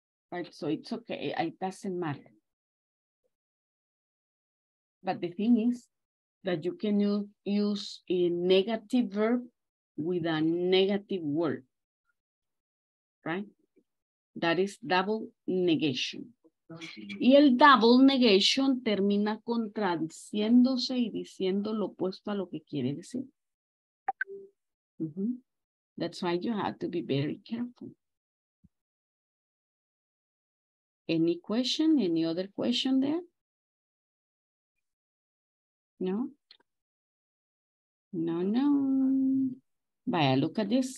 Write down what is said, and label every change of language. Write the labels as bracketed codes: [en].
[en] Right, so it's okay, it doesn't matter. But the thing is that you can use a negative verb with a negative word, right? That is double negation. [es] Y el double negation termina contradiciéndose y diciendo lo opuesto a lo que quiere decir. [en] That's why you have to be very careful. Any question? Any other question there? No? No, no. Vaya, look at this.